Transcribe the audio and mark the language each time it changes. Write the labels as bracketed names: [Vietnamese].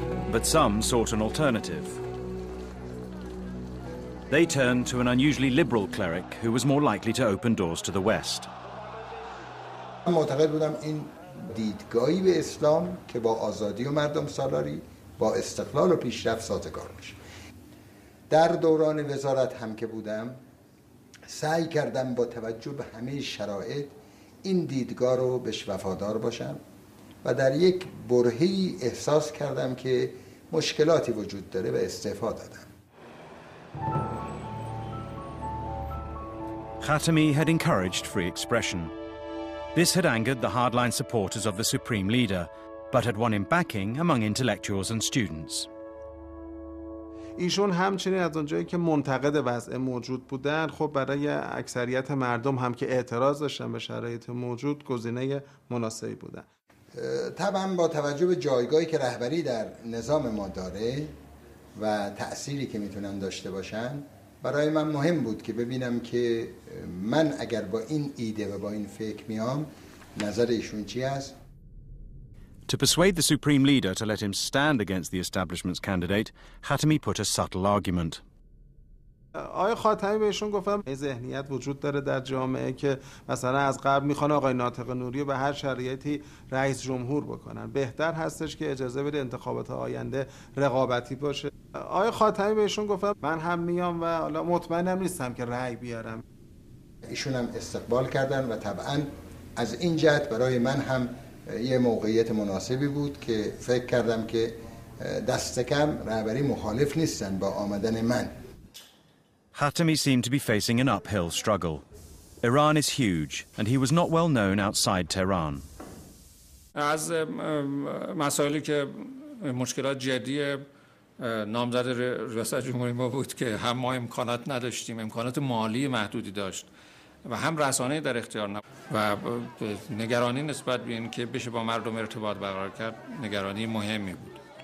[English] But some sought an alternative. They turned to an unusually liberal cleric who was more likely to open doors to the West. [Persian] با استقلال و پیشرفت سازگار میشه. در دوران وزارت هم که بودم سعی کردم با توجه به همه شرایط این دیدگاه رو بهش وفادار باشم و در یک برهه‌ای احساس کردم که مشکلاتی وجود داره و استعفا دادم. [English] Khatami had encouraged free expression. This had angered the hardline supporters of the Supreme Leader, but had won him backing among intellectuals and students. [Persian] ایشون همچنین از اونجایی که منتقد وضع موجود بودن، خب برای اکثریت مردم هم که اعتراض داشتن به شرایط موجود، گزینه مناسبی بودن. طبعا با توجه به جایگاهی که رهبری در نظام ما داره و تأثیری که میتونن داشته باشن، برای من مهم بود که ببینم که من اگر با این ایده و با این فکر میام، نظر ایشون چی است؟ [English] To persuade the supreme leader to let him stand against the establishment's candidate, Khatami put a subtle argument. [Persian] آقای خاتمی بهشون گفتم این ذهنیت وجود داره در جامعه که مثلا از قبل میخوان آقای ناطق نوری به هر شرایطی رئیس جمهور بکنن. بهتر هستش که اجازه بده انتخابات آینده رقابتی باشه. آقای خاتمی بهشون گفتم من هم میام و حالا مطمئنم نیستم که رأی بیارم. ایشون هم استقبال کردن و طبعا از این جهت برای من هم یه موقعیت مناسبی بود که فکر کردم که دست کم رهبری مخالف نیستن با آمدن من. [English] Khatami seemed to be facing an uphill struggle. Iran is huge, and he was not well known outside Tehran. [Persian] از مسائلی که مشکلات جدی نامزد ریاست جمهوری ما بود که هم ما امکانات نداشتیم، امکانات مالی محدودی داشت و هم رسانه در اختیار نبود و نگرانی نسبت به این که بشه با مردم ارتباط برقرار کرد نگرانی مهمی بود.